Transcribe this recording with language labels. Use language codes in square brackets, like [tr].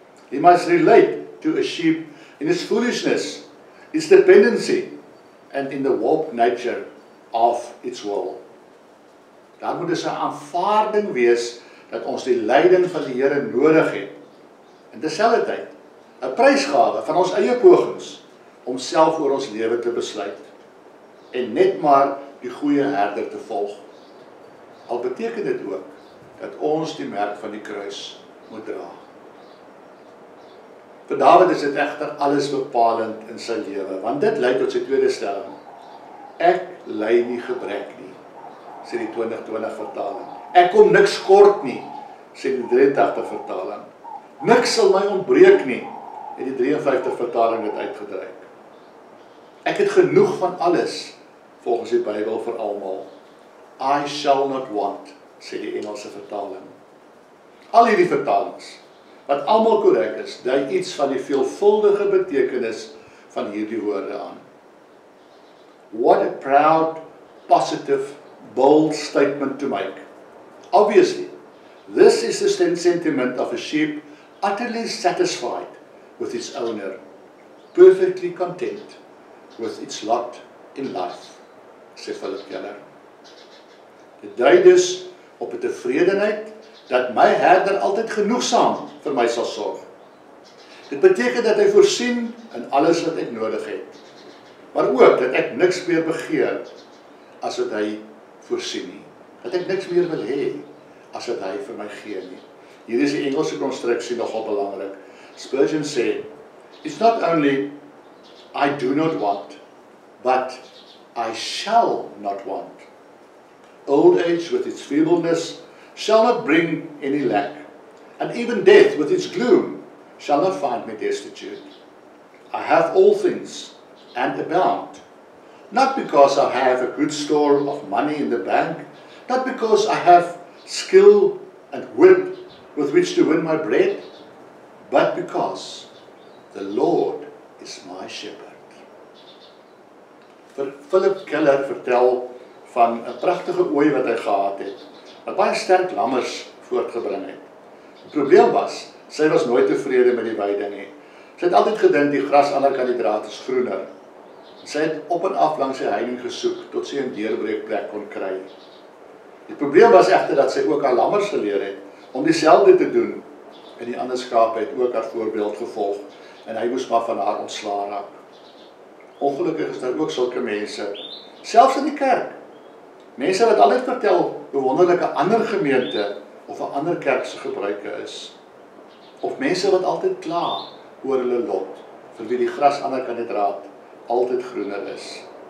[en] He must relate to a sheep in his foolishness, its dependency, and in the warped nature of its will. [af] Daar moet dus 'n aanvaarding wees dat ons die leiding van die Here nodig het. En terselfdertyd 'n prysgawe van ons eie pogings om self oor ons lewe te besluit en net maar die goeie herder te volg. Al beteken dit ook dat ons die merk van die kruis moet dra. Vir Dawid is dit egter alles bepalend in sy lewe, want dit lei tot sy tweede stelling. Ek ly nie gebrek nie, sê die 2020 vertaling. Ek kom niks kort nie, sê die 83 vertaling. Niks sal my ontbreek nie, het die 53 vertaling het uitgedruk. Ek het genoeg van alles, volgens die Bybel vir almal. [en] I shall not want, [af] sê die Engelse vertaling. Al hierdie vertalings, wat almal korrek is, dui iets van die veelvuldige betekenis van hierdie woorde aan. [en] What a proud, positive, bold statement to make. Obviously, this is the sentiment of a sheep utterly satisfied with its owner, perfectly content with its lot in life, sê Philip Keller. [af] Dit dui dus op 'n tevredenheid dat my herder altyd genoegsaam vir my sal sorg. Dit beteken dat hy voorsien in alles wat ek nodig het, maar ook dat ek niks meer begeer as wat hy voorsien nie, dat ek niks meer wil hê as wat hy vir my gee nie. Hier is die Engelse konstruksie nogal belangrik. [en] Spurgeon sê, it's not only I do not want, but I shall not want. Old age with its feebleness shall not bring any lack, and even death with its gloom shall not find me destitute. I have all things and abound, not because I have a good store of money in the bank, not because I have skill and wit with which to win my bread, but because the Lord is my shepherd. [af] Philip Keller vertel van 'n pragtige ooi wat hy gehad het, wat baie sterk lammers voortgebring het. Die probleem was, sy was nooit tevrede met die weiding nie. Sy het altyd gedink die gras aan die kant die draad is groener. Sy het op en af langs die heining gesoek, tot sy een deurbreekplek kon kry. Die probleem was echter dat sy ook aan lammers geleer het, om dieselfde te doen, en die ander skape het ook haar voorbeeld gevolg, en hy moes maar van haar ontsla raak. Ongelukkig is daar ook sulke mense, selfs in die kerk, mense wat altyd vertel hoe wonderlik 'n ander gemeente of 'n ander kerk se gebruike is, of mense wat altyd kla oor hulle lot, vir wie die gras ander kan het raad, altyd groener is.